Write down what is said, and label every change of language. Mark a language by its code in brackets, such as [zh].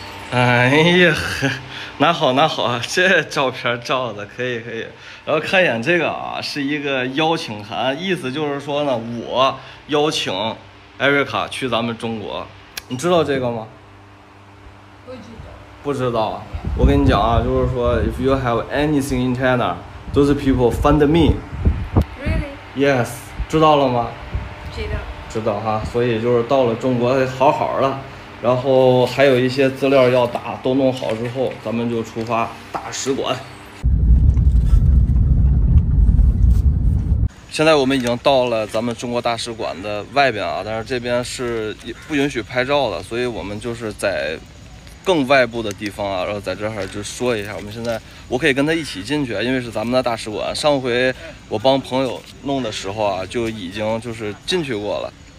[zh] 哎呀，拿好拿好，这照片照的可以可以。然后看一眼这个啊，是一个邀请函，意思就是说呢，我邀请艾瑞卡去咱们中国。你知道这个吗？不知道。不知道。我跟你讲啊，就是说 [en] ，if you have anything in China, those people find me. Really? [zh] Yes. 知道了吗？知道哈，所以就是到了中国好好了，然后还有一些资料要打，都弄好之后咱们就出发大使馆。现在我们已经到了咱们中国大使馆的外边啊，但是这边是不允许拍照的，所以我们就是在更外部的地方啊，然后在这儿就说一下，我们现在我可以跟他一起进去，因为是咱们的大使馆，上回我帮朋友弄的时候啊就已经就是进去过了。